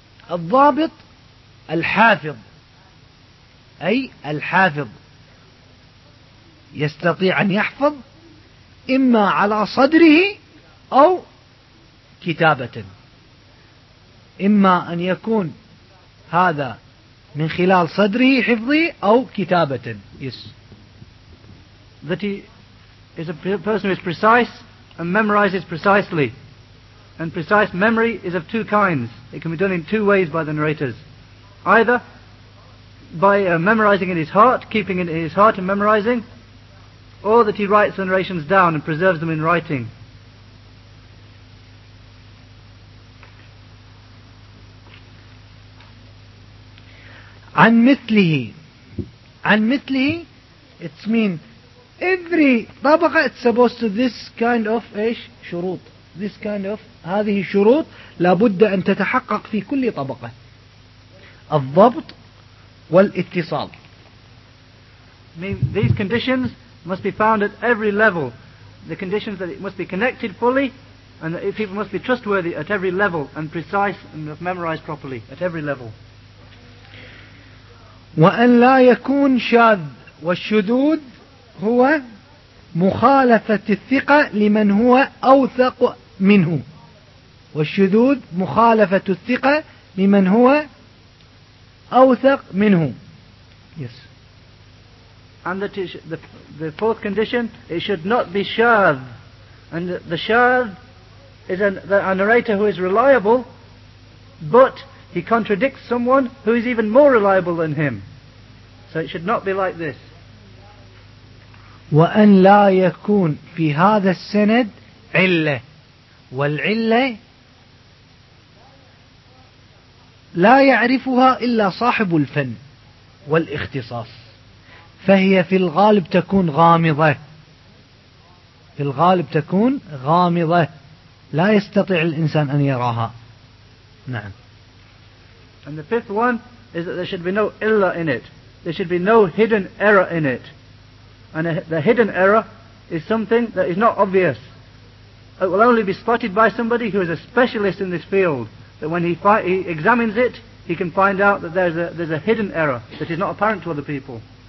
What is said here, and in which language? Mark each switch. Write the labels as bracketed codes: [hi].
[ar] الضابط الحافظ، أي الحافظ يستطيع أن يحفظ إما على صدره أو كتابة، إما أن يكون هذا من خلال صدره حفظه أو كتابة. [en] Yes. That he is a person who is precise and memorizes precisely. And precise memory is of two kinds. It can be done in two ways by the narrators. Either by memorizing in his heart, keeping it in his heart and memorizing, or that he writes the narrations down and preserves them in writing. [ar] عن مثله. عن مثله, [en] it means every طبقة it's supposed to this kind of [ar] ايش شروط. [en] This kind of [ar] هذه الشروط لابد أن تتحقق في كل طبقة. الضبط والاتصال. [en] Mean these conditions must be found at every level. The conditions that it must be connected fully and that people must be trustworthy at every level and precise and memorized properly at every level. [ar] وأن لا يكون شاذ. والشذوذ هو مخالفة الثقة لمن هو أوثق منه. والشذوذ مخالفة الثقة لمن هو أوثق منه. [en] Yes. And that is the fourth condition, it should not be shadh. And the shadh is a narrator who is reliable, but he contradicts someone who is even more reliable than him. So it should not be like this. [ar] وأن لا يكون في هذا السند علة. والعلة لا يعرفها إلا صاحب الفن والاختصاص، فهي في الغالب تكون غامضة. في الغالب تكون غامضة، لا يستطيع الإنسان أن يراها. نعم. [en] And the fifth one is that there should be no illa in it. There should be no hidden error in it. And the hidden error is something that is not obvious. It will only be spotted by somebody who is a specialist in this field, that when he examines it, he can find out that there's a hidden error that is not apparent to other people.